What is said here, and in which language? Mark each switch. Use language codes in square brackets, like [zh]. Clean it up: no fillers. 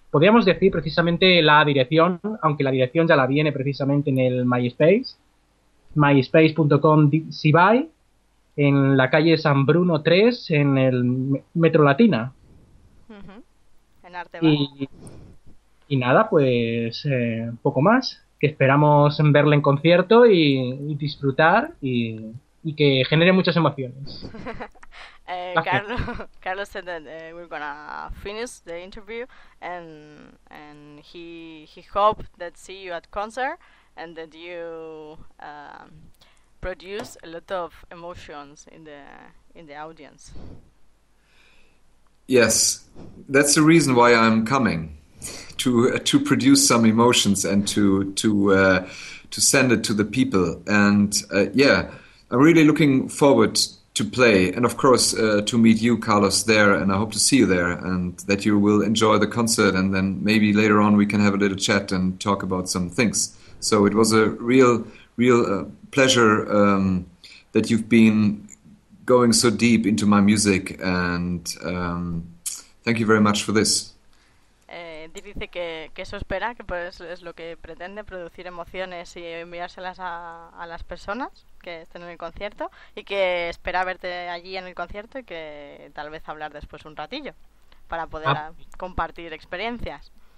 [es] Podríamos decir precisamente la dirección, aunque la dirección ya la viene precisamente en el MySpace, myspace.com/Sibai, en la calle San Bruno 3, en el Metro Latina. En Arte Bar. Y nada, pues poco más. Que esperamos verle en concierto y disfrutar y que genere muchas emociones. Gracias. [en] Carlos said that we're gonna finish the interview and he hope that see you at concert and that you produce a lot of emotions in the audience. Yes, that's the reason why I'm coming. To produce some emotions and to send it to the people. And yeah, I'm really looking forward to play and of course to meet you, Carlos, there, and I hope to see you there and that you will enjoy the concert and then maybe later on we can have a little chat and talk about some things. So it was a real pleasure that you've been going so deep into my music and thank you very much for this. [es] Dice que eso espera, que pues es lo que pretende, producir emociones y enviárselas a las personas que estén en el concierto, y que espera verte allí en el concierto y que tal vez hablar después un ratillo para poder compartir experiencias.